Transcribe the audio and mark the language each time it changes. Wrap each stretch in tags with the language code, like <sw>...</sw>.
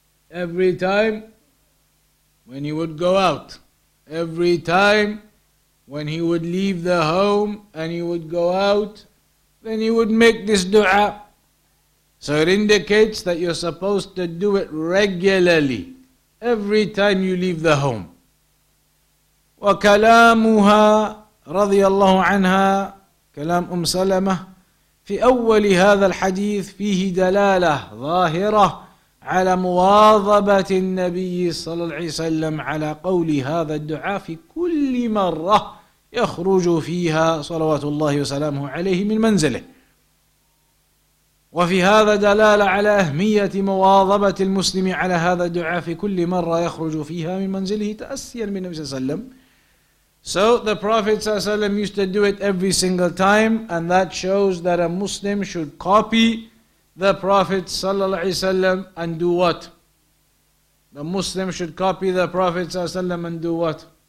<en>Every time when he would go out. Every time when he would leave the home and he would go out, then he would make this dua. So it indicates that you're supposed to do it regularly. Every time you leave the home.</en> <ar>وَكَلَامُهَا رَضِيَ اللَّهُ عَنْهَا كلام أم سلمة في أول هذا الحديث فيه دلالة ظاهرة على مواظبة النبي صلى الله عليه وسلم على قول هذا الدعاء في كل مرة يخرج فيها صلوات الله وسلامه عليه من منزله وفي هذا دلالة على أهمية مواظبة المسلم على هذا الدعاء في كل مرة يخرج فيها من منزله تأسيا من النبي صلى الله عليه وسلم.</ar> <en>So the Prophet ﷺ used to do it every single time, and that shows that a Muslim should copy the Prophet ﷺ and do what? The Muslim should copy the Prophet ﷺ and do what?</en>